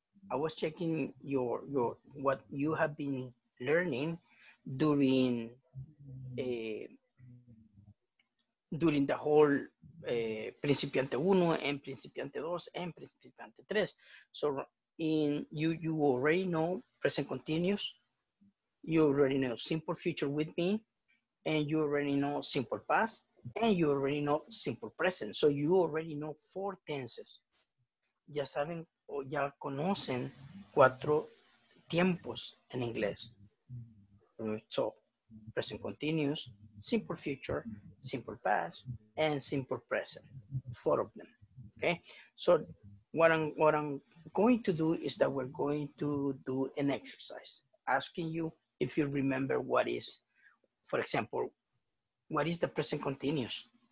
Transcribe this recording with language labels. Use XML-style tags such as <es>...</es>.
<en>I was checking your what you have been learning during during the whole principiante uno and principiante dos and principiante tres. So in you already know present continuous, you already know simple future with me, and you already know simple past, and you already know simple present. So you already know four tenses.</en> <es>Ya saben o ya conocen cuatro tiempos en inglés.</es> <en>So present continuous, simple future, simple past, and simple present. Four of them. Okay. So what I'm going to do is that we're going to do an exercise asking you if you remember what is, for example, what is the present continuous?</en>